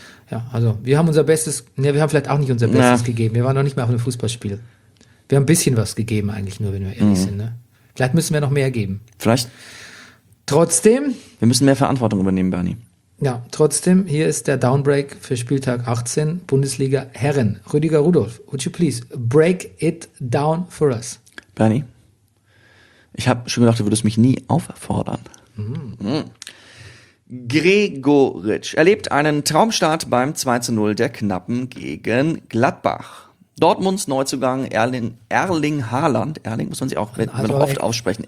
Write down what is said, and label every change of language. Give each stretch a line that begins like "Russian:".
German: Ja, also wir haben unser Bestes, wir haben vielleicht auch nicht unser Bestes gegeben, wir waren noch nicht mal auf einem Fußballspiel. Wir haben ein bisschen was gegeben eigentlich nur, wenn wir ehrlich sind. Ne? Vielleicht müssen wir noch mehr geben. Vielleicht. Trotzdem. Wir müssen mehr Verantwortung übernehmen, Bernie. Ja, trotzdem. Hier ist der Downbreak für Spieltag 18, Bundesliga Herren.
English: Rüdiger Rudolph, would you please break it down for us?
German: Bernie, ich habe schon gedacht, du würdest mich nie auffordern. Gregoritsch erlebt einen Traumstart beim 2:0 der Knappen gegen Gladbach. Dortmunds Neuzugang Erling Haaland. Erling muss man sich auch oft aussprechen.